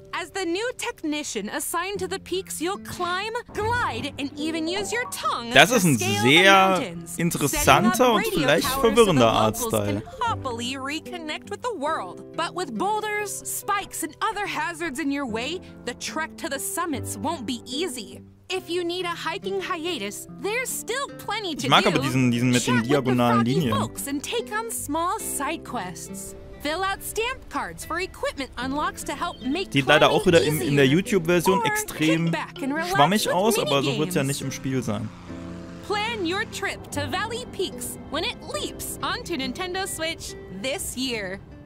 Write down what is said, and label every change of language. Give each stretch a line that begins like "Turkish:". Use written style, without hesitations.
English: As the new technician assigned to the peaks, you'll climb, glide, and even use your tongue
German: das Das ist ein sehr interessanter und vielleicht verwirrender Artstyle.
English: Can happily reconnect with the world. But with boulders, spikes, and other hazards in your way, the trek to the summits won't be easy. If you need a hiking hiatus, there's still plenty to do.
German: Ich mag aber diesen mit den diagonalen Linien.
English: Chat with the froggy folks and take on small side quests. Fill out stamp cards for equipment unlocks to help make
German: Sieht leider auch wieder in der YouTube-Version extrem schwammig aus, aber so wird es ja nicht im Spiel sein.
English: Plan your trip to Valley Peaks when it leaps onto Nintendo Switch this year.